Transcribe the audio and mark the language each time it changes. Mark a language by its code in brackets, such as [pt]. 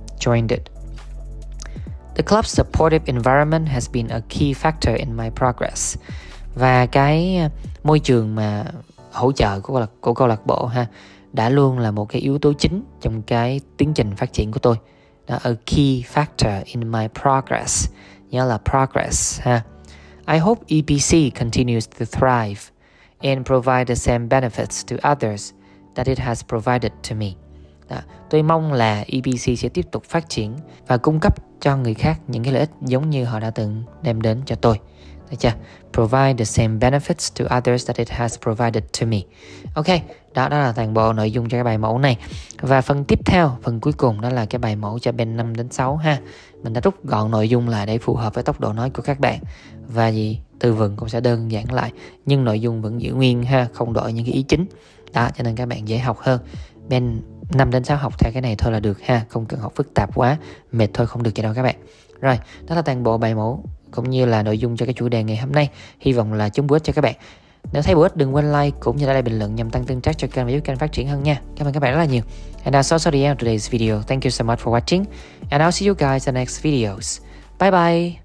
[en] Joined it. The club's supportive environment has been a key factor in my progress. [vi] Và cái môi trường mà hỗ trợ của câu lạc bộ ha đã luôn là một cái yếu tố chính trong cái tiến trình phát triển của tôi. Đó, [en] a key factor in my progress. [vi] Nhớ là [en] progress ha. I hope EPC continues to thrive and provide the same benefits to others that it has provided to me. [vi] Đó, tôi mong là EPC sẽ tiếp tục phát triển và cung cấp cho người khác những cái lợi ích giống như họ đã từng đem đến cho tôi. Được chưa? [en] Provide the same benefits to others that it has provided to me. [vi] Ok, đó là toàn bộ nội dung cho cái bài mẫu này. Và phần tiếp theo, phần cuối cùng đó là cái bài mẫu cho bên 5 đến 6 ha. Mình đã rút gọn nội dung lại để phù hợp với tốc độ nói của các bạn. Và gì? Từ vựng cũng sẽ đơn giản lại, nhưng nội dung vẫn giữ nguyên ha, không đổi những cái ý chính. Đó, cho nên các bạn dễ học hơn. Bên 5 đến 6 học theo cái này thôi là được ha, không cần học phức tạp quá, mệt thôi không được vậy đâu các bạn. Rồi, đó là toàn bộ bài mẫu cũng như là nội dung cho cái chủ đề ngày hôm nay. Hy vọng là chúng bổ ích cho các bạn. Nếu thấy bổ ích đừng quên like cũng như để lại bình luận nhằm tăng tương tác cho kênh và giúp kênh phát triển hơn nha. Cảm ơn các bạn rất là nhiều. [en] And that's also the end of today's video. Thank you so much for watching. And I'll see you guys in the next videos. Bye bye.